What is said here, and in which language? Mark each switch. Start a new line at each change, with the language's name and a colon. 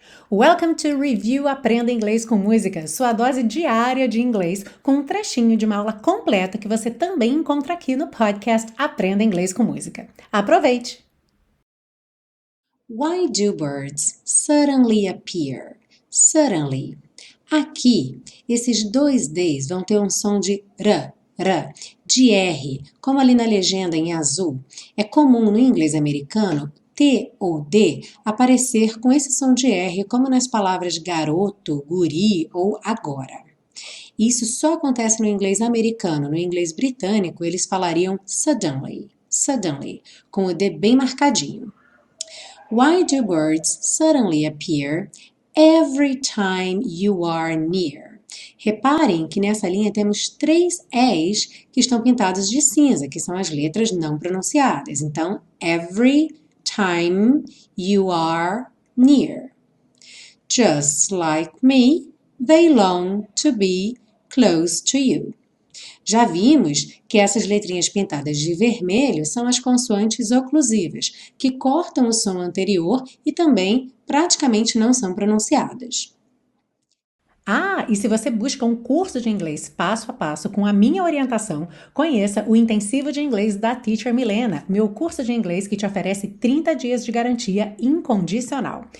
English: Welcome to
Portuguese: Review Aprenda Inglês com Música, sua dose diária de inglês, com um trechinho de uma aula completa que você também encontra aqui no podcast Aprenda Inglês com Música. Aproveite!
English: Why do birds suddenly appear? Suddenly.
Portuguese: Aqui, esses dois D's vão ter um som de R, R, de R, como ali na legenda em azul. É comum no inglês americano T ou D aparecer com esse som de R, como nas palavras garoto, guri ou agora. Isso só acontece no inglês americano. No inglês britânico, eles falariam
English: suddenly, suddenly,
Portuguese: com o D bem marcadinho.
English: Why do birds suddenly appear every time you are near?
Portuguese: Reparem que nessa linha temos três E's que estão pintados de cinza, que são as letras não pronunciadas. Então,
English: every time you are near. Just like me, they long to be close to you.
Portuguese: Já vimos que essas letrinhas pintadas de vermelho são as consoantes oclusivas, que cortam o som anterior e também praticamente não são pronunciadas. Ah, e se você busca um curso de inglês passo a passo com a minha orientação, conheça o Intensivo de Inglês da Teacher Milena, meu curso de inglês que te oferece 30 dias de garantia incondicional.